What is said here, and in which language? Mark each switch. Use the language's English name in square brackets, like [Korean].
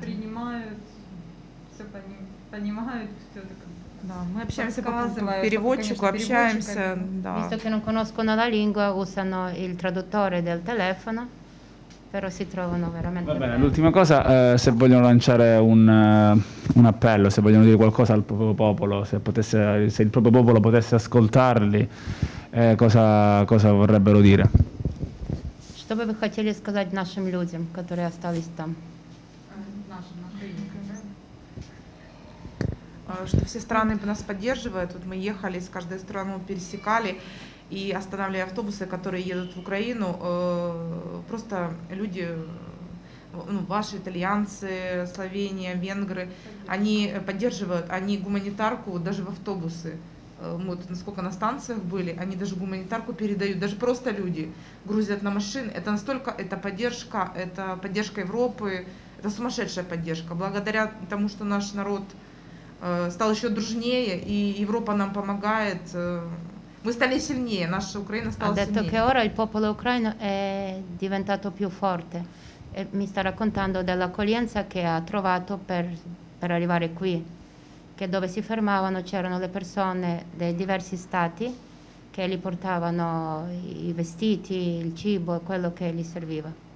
[Russian] Принимают, все понимают, все так. Да, мы общаемся по переводчику, общаемся, да. [Italian] Visto che non conoscono la lingua, usano il traduttore del telefono. Però si trovano veramente. Va bene, bene. L'ultima cosa, se vogliono lanciare un appello, se vogliono dire qualcosa al proprio popolo, se il proprio popolo potesse ascoltarli, cosa vorrebbero dire? [Russian] Что бы вы хотели сказать нашим людям, которые остались там? Что все страны нас поддерживают. Вот мы ехали, с каждой страны пересекали. И останавливая автобусы, которые едут в Украину, просто люди, ну, ваши итальянцы, Словения, венгры, они поддерживают, они гуманитарку даже в автобусы. Мы вот насколько на станциях были, они даже гуманитарку передают, даже просто люди грузят на машины. Это настолько, это поддержка Европы, это сумасшедшая поддержка. Благодаря тому, что наш народ стал еще дружнее, и Европа нам помогает... Мы стали сильнее, наша Украина стала сильнее. [Italian] Ha detto che ora il popolo ucraino è diventato più forte. E mi sta raccontando dell'accoglienza che ha trovato per arrivare qui. Che dove si fermavano c'erano le persone dei diversi stati che gli portavano i vestiti, il cibo e quello che gli serviva.